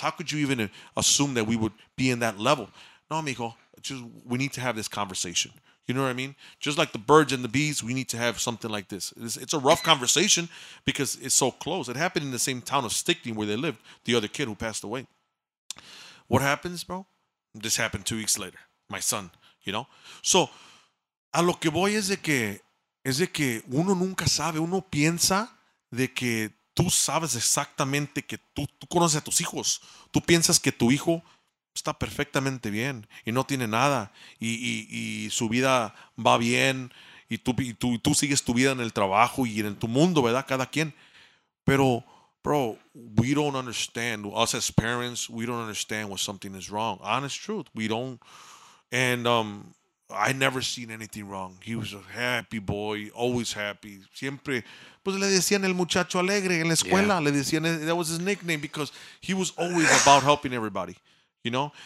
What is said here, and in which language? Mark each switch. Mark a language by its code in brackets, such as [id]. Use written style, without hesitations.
[en] How could you even assume that we would be in that level? [es] No, mijo. [en] Just, we need to have this conversation. You know what I mean? Just like the birds and the bees, we need to have something like this. It's a rough conversation because it's so close. It happened in the same town of Stickney where they lived, the other kid who passed away. What happens, bro? This happened 2 weeks later. My son, you know? [es] So, a lo que voy es de que uno nunca sabe, uno piensa de que tú sabes exactamente que tú conoces a tus hijos. Tú piensas que tu hijo está perfectamente bien y no tiene nada y su vida va bien y tú sigues tu vida en el trabajo y en tu mundo, ¿verdad? Cada quien. Pero, [en] bro, we don't understand. Us as parents, we don't understand when something is wrong. Honest truth, we don't. And I never seen anything wrong. He was a happy boy, always happy. [es] Siempre, pues le decían el muchacho alegre en la escuela. [en] Yeah. [es] Le decían, [en] that was his nickname because he was always about helping everybody, you know?